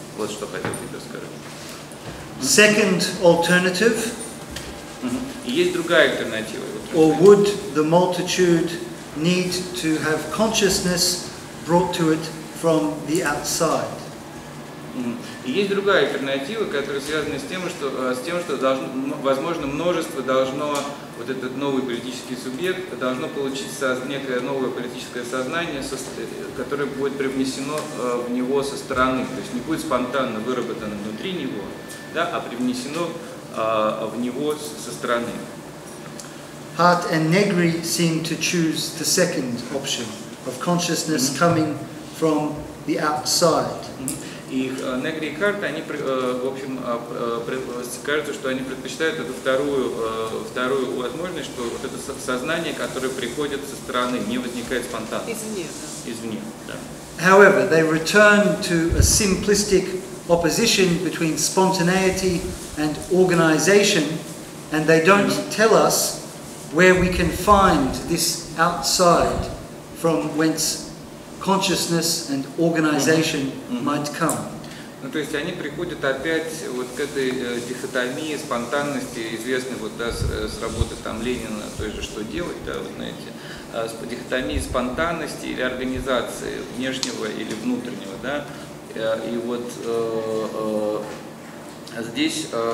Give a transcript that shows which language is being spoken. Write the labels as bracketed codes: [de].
[ru] Вот что хотел тебе сказать. [en] Second alternative. Mm-hmm. [ru] Есть другая альтернатива. Вот. [en] Or would the multitude need to have consciousness brought to it from the outside? [ru] И есть другая альтернатива, которая связана с тем, что должно, возможно, множество должно, вот этот новый политический субъект, должно получить некое новое политическое сознание, которое будет привнесено в него со стороны, то есть не будет спонтанно выработано внутри него, да, а привнесено в него со стороны. [en] Hart and Negri seem to choose the second option of consciousness coming from the outside. [ru] И Негри и Харт, они, в общем, кажется, что они предпочитают эту вторую возможность, что вот это сознание, которое приходит со стороны, не возникает спонтанно. Извне, да. [en] However, they return to a simplistic opposition between spontaneity and organization, and they don't tell us where we can find this outside from whence consciousness and organization might come. [ru] Ну, то есть они приходят опять вот к этой дихотомии, спонтанности, известной вот, да, с работы там Ленина, той же «Что делать», да, вы знаете, дихотомии спонтанности или организации внешнего или внутреннего, да, и вот здесь...